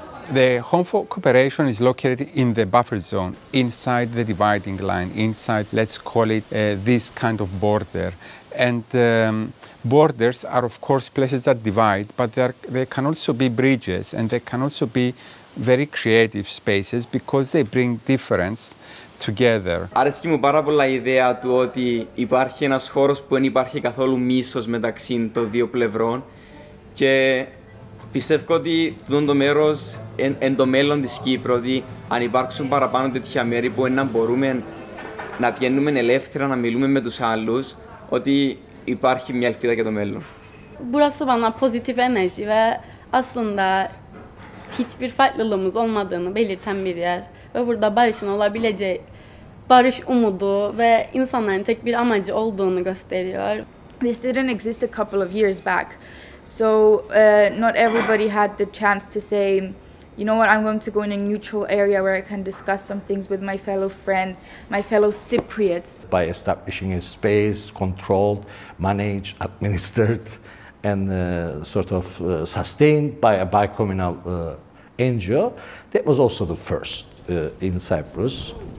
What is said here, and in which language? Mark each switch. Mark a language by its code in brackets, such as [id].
[en] The home for cooperation is located in the buffer zone, inside the dividing line, inside, let's call it, this kind of border. And borders are, of course, places that divide, but they can also be bridges, and they can also be very creative spaces because they bring difference together. [el] Αρέσκει μου πάρα πολλά η ιδέα του ότι υπάρχει ένας χώρος που δεν υπάρχει καθόλου μίσος μεταξύ των δύο πλευρών και πιστεύω ότι το μέρος εν το μέλλον της Κύπρου, ότι αν υπάρξουν παραπάνω τέτοια μέρη που να μπορούμε να πηγαίνουμε ελεύθερα, να μιλούμε με τους άλλους, ότι υπάρχει μια ελπίδα για το μέλλον. Μπορούσα να πάνω [en] positive energy [tr] ve aslında hiçbir farklılığımız olmadığını belirten bir yer. Ve burada barışın olabileceği, barış umudu ve insanların tek bir amacı olduğunu gösteriyor. [en] This didn't exist a couple of years back. So not everybody had the chance to say, you know what, I'm going to go in a neutral area where I can discuss some things with my fellow friends, my fellow Cypriots. By establishing a space, controlled, managed, administered, and sort of sustained by a bicommunal NGO, that was also the first in Cyprus.